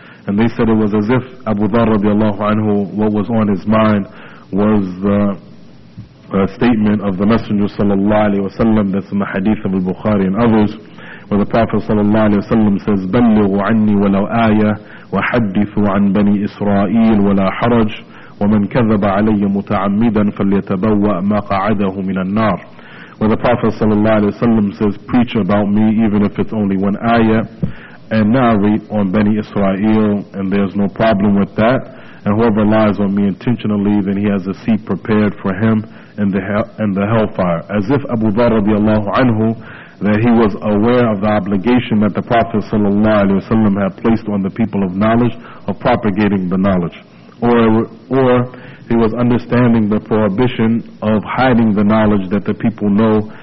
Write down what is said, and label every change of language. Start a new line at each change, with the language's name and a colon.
English: And they said it was as if Abu Dharr radiallahu anhu, what was on his mind was the statement of the Messenger sallallahu alaihi wasallam that's in the hadith of al-Bukhari and others, where the Prophet sallallahu alaihi wasallam says,
Arabic: بَلِّغُ عَنِّي وَلَوْ آيَةٌ وحدثوا عن بني إسرائيل ولا حرج، ومن كذب علي متعمدا فليتبوأ مقعده من النار.
English: Where the Prophet sallallahu alaihi wasallam says, preach about me even if it's only one ayah, and narrate on Bani Israel, and there's no problem with that. And whoever lies on me intentionally, then he has a seat prepared for him in the hellfire. As if Abu Dharr radiallahu anhu, that he was aware of the obligation that the Prophet sallallahu alaihi wasallam had placed on the people of knowledge of propagating the knowledge, or he was understanding the prohibition of hiding the knowledge that the people know.